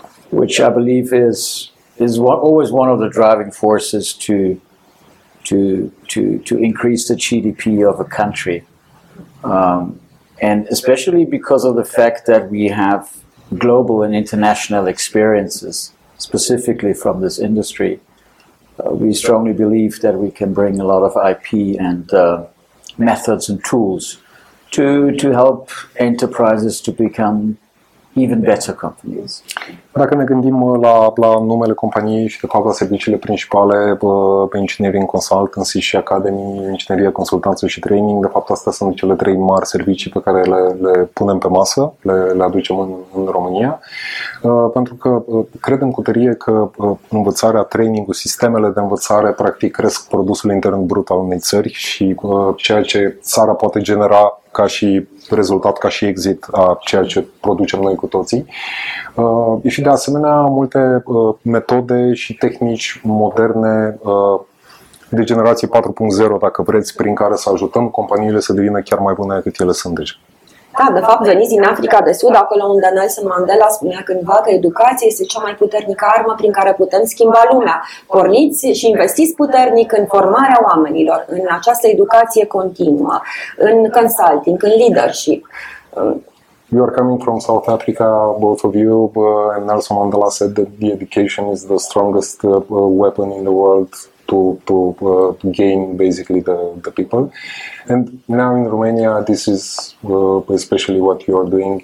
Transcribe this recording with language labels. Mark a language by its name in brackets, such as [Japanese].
[English] Which I believe is always one of the driving forces to increase the GDP of a country, and especially because of the fact that we have global and international experiences, specifically from this industry, we strongly believe that we can bring a lot of IP and methods and tools to help enterprises to become even better companies. [Romanian] Dacă ne gândim la numele companiei și de fapt la serviciile principale, [English] engineering consultancy [Romanian] și academy, inginerie, consultanță și training, de fapt astea sunt cele trei mari servicii pe care le punem pe masă, le aducem în România, pentru că credem cu tărie că învățarea, trainingul, sistemele de învățare practic cresc produsul intern brut al unei țări și ceea ce țara poate genera ca și rezultat, ca și exit a ceea ce producem noi cu toții. Și de asemenea, multe metode și tehnici moderne de generație 4.0, dacă vreți, prin care să ajutăm companiile să devină chiar mai bune decât ele sunt deja. Da, de fapt, veniți din Africa de Sud, acolo unde Nelson Mandela spunea cândva că educația este cea mai puternică armă prin care putem schimba lumea. Porniți și investiți puternic în formarea oamenilor, în această educație continuă, în consulting, în leadership. [English] You are coming from South Africa, both of you, and Nelson Mandela said that the education is the strongest weapon in the world to gain basically the people. And now in Romania, this is especially what you are doing.